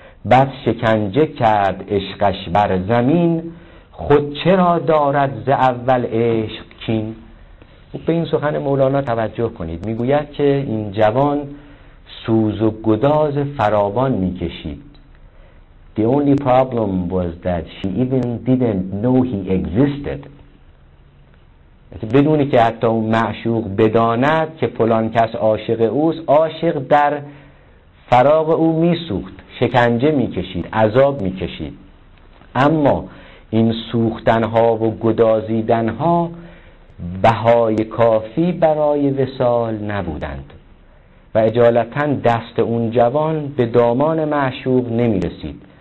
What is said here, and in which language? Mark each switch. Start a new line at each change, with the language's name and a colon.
Persian: بس شکنجه کرد عشقش بر زمین، خود چرا دارد ز اول عشق کین؟ به این سخن مولانا توجه کنید. میگوید که این جوان سوز و گداز فراوان میکشید.
English: The only problem was that she even didn't know he existed.
Persian: بدونی که حتی اون معشوق بداند که فلان کس عاشق اوست، عاشق در فراق او میسوخت، شکنجه میکشید، عذاب میکشید. اما این سوختنها و گدازیدنها بهای کافی برای وصال نبودند و اجالتاً دست اون جوان به دامان معشوق نمی رسید.